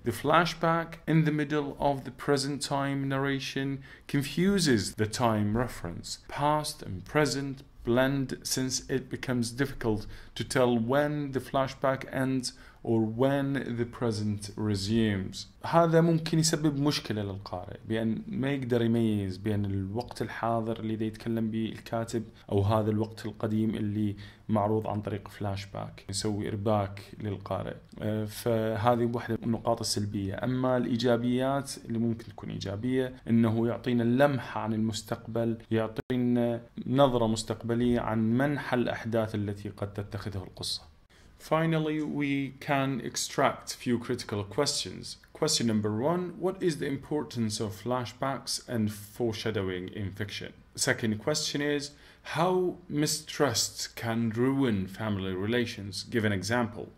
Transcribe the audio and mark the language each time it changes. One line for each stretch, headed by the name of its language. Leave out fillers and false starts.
English: The flashback in the middle of the present time narration confuses the time reference. Past and present blend, since it becomes difficult to tell when the flashback ends or when the present resumes.
Arabic: هذا ممكن يسبب مشكلة للقارئ بأن ما يقدر يميز بين الوقت الحاضر الذي يتكلم به الكاتب أو هذا الوقت القديم اللي معروض عن طريق فلاش باك يسوي إرباك للقارئ. فهذه واحدة من النقاط السلبية. أما الإيجابيات اللي ممكن تكون إيجابية إنه يعطينا لمحة عن المستقبل، يعطينا نظرة مستقبلية عن منح الأحداث التي قد تتخذها القصة.
English: Finally, we can extract a few critical questions. Question number one, what is the importance of flashbacks and foreshadowing in fiction? Second question is, how mistrust can ruin family relations? Give an example.